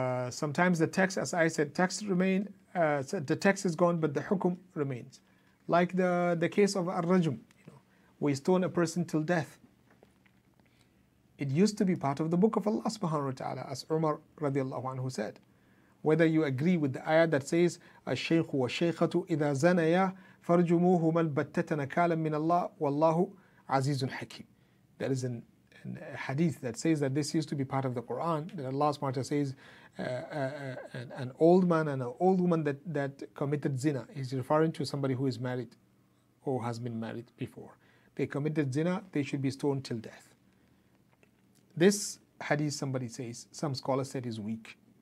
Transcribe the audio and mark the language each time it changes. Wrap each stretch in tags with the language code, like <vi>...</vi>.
<en>Sometimes the text, as I said, text remain, so the text is gone, but the hukum remains. Like the case of ar-rajm, you know, we stone a person till death. It used to be part of the book of Allah subhanahu wa ta'ala, as Umar radiallahu anhu said. Whether you agree with the ayah that says</en> <ar>الشيخ والشيخة إذا زنيا فرجموهما البتت نكالا من الله والله عزيز حكيم.</ar> <en>There is an hadith that says that this used to be part of the Quran, that Allah SWT says an old man and an old woman that committed zina. He's referring to somebody who is married or has been married before. They committed zina, they should be stoned till death. This hadith, somebody says, some scholars said, is weak.</en>